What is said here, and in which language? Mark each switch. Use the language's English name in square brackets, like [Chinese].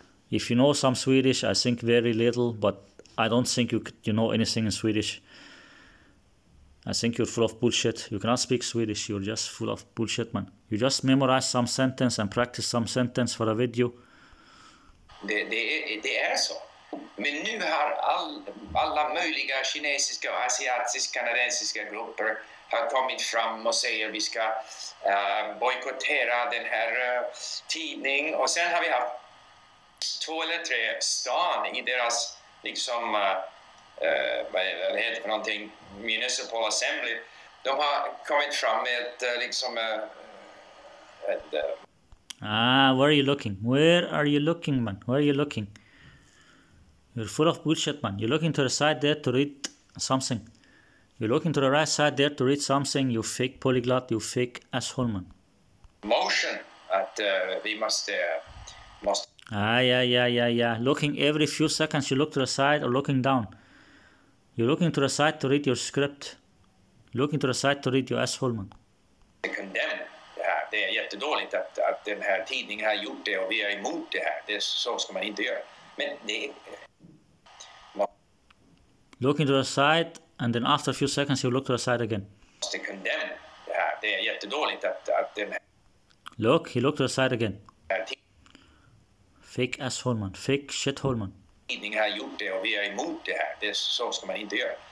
[English] If you know some Swedish, I think very little, but I don't think you know anything in Swedish. I think you're full of bullshit. You cannot speak Swedish. You're just full of bullshit, man. You just memorize some sentence and practice some sentence for a video. [Swedish] Det är så. Men nu har alla möjliga kinesiska, asiatiska, kanadensiska grupper har kommit fram och säger vi ska bojkottera den här tidningen. Och sen har vi haft två eller tre stan i deras liksom vad heter det för någonting, [English] municipal assembly. [Swedish] De har kommit fram med [English] Where are you looking? Where are you looking, man? Where are you looking? You're full of bullshit, man. You're looking to the side there to read something. You're looking to the right side there to read something, you fake polyglot, you fake asshole, man. Motion at we must... Yeah. Looking every few seconds, you look to the side or looking down. You're looking to the side to read your script. Looking to the side to read your asshole, man. Condemn. [Swedish] Det är jättedåligt att den här tidningen har gjort det och vi är emot det här. Det är så ska man inte göra. Men [English] looking to the side and then after a few seconds you look to the side again. [Swedish] Måste condemn det här. Det är jättedåligt att den här. [English] Look, he looked to the side again. Fake asshole man. Fake shithole man. [Swedish] Tidningen har gjort det och vi är emot det här. Det är så ska man inte göra.